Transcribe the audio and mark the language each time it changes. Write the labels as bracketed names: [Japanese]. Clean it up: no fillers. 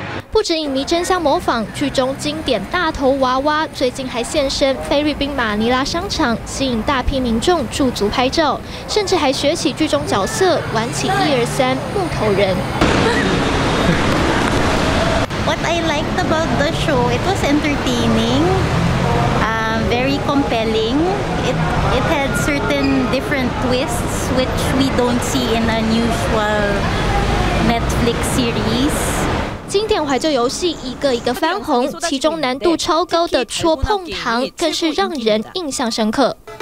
[Chinese] 不止影迷争相模仿，剧中经典大头娃娃最近还现身菲律宾马尼拉商场，吸引大批民众驻足拍照，甚至还学起剧中角色玩起123木头人。 [English] What I liked about the show, it was entertaining, very compelling. It had certain different twists which we don't see in unusual Netflix series. [Chinese] 经典怀旧游戏一个一个翻红，其中难度超高的戳碰糖更是让人印象深刻。